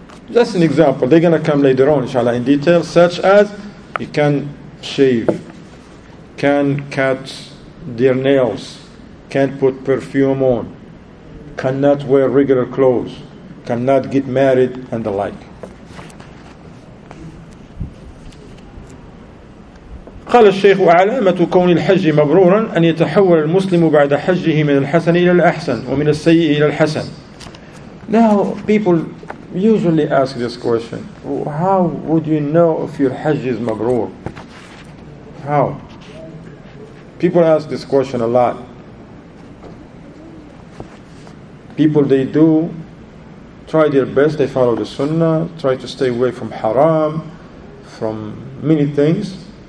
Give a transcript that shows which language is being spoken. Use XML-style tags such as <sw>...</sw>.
<en>Just an example, they're going to come later on, inshallah, in detail, such as you can shave, can cut their nails, can put perfume on, cannot wear regular clothes, cannot get married, and the like.</en> <ar>قال الشيخ وعلامة كون الحج مبرورا أن يتحول المسلم بعد حجه من الحسن إلى الأحسن ومن السيء إلى الحسن.</ar> <en>Now people usually ask this question: how would you know if your Hajj is mabrur? How? People ask this question a lot. People, they do try their best, they follow the sunnah, try to stay away from haram, from many things.</en>